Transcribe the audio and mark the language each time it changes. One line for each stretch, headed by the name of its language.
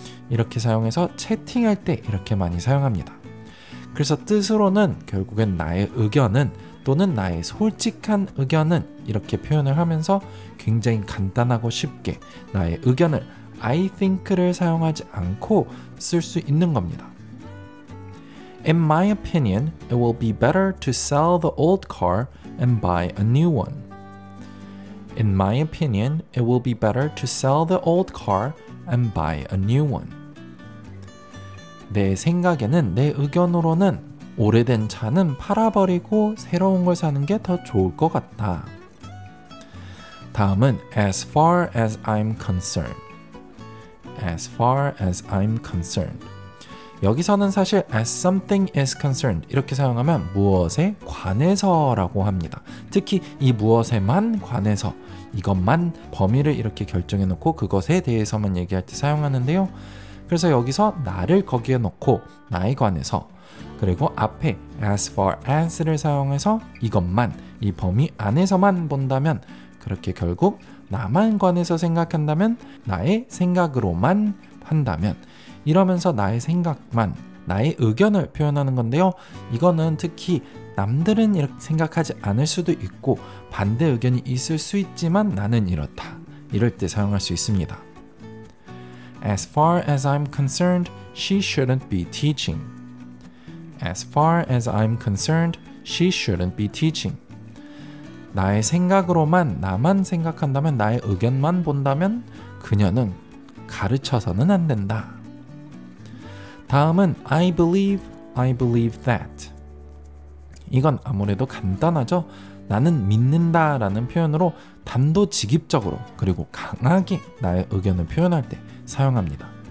Korean: 이렇게 사용해서 채팅할 때 이렇게 많이 사용합니다. 그래서 뜻으로는 결국엔 나의 의견은 또는 나의 솔직한 의견은 이렇게 표현을 하면서 굉장히 간단하고 쉽게 나의 의견을
English: I think
Korean: 를 사용하지 않고 쓸 수 있는 겁니다.
English: In my opinion, it will be better to sell the old car and buy a new one. In my opinion, it will be better to sell the old car and buy a new one.
Korean: 내 생각에는 내 의견으로는 오래된 차는 팔아버리고 새로운 걸 사는 게 더 좋을 것 같다. 다음은
English: As far as I'm concerned. As far as I'm concerned.
Korean: 여기서는 사실
English: as something is concerned
Korean: 이렇게 사용하면 무엇에 관해서라고 합니다. 특히 이 무엇에만 관해서 이것만 범위를 이렇게 결정해놓고 그것에 대해서만 얘기할 때 사용하는데요. 그래서 여기서 나를 거기에 놓고 나에 관해서 그리고 앞에 as far as를 사용해서 이것만 이 범위 안에서만 본다면 그렇게 결국 나만 관해서 생각한다면 나의 생각으로만 한다면 이러면서 나의 생각만 나의 의견을 표현하는 건데요. 이거는 특히 남들은 이렇게 생각하지 않을 수도 있고 반대 의견이 있을 수 있지만 나는 이렇다 이럴 때 사용할 수 있습니다.
English: As far as I'm concerned, she shouldn't be teaching. As far as I'm concerned, she shouldn't be teaching.
Korean: 나의 생각으로만 나만 생각한다면 나의 의견만 본다면 그녀는 가르쳐서는 안 된다. 다음은
English: I believe that.
Korean: 이건 아무래도 간단하죠. 나는 믿는다 라는 표현으로 단도직입적으로 그리고 강하게 나의 의견을 표현할 때 사용합니다.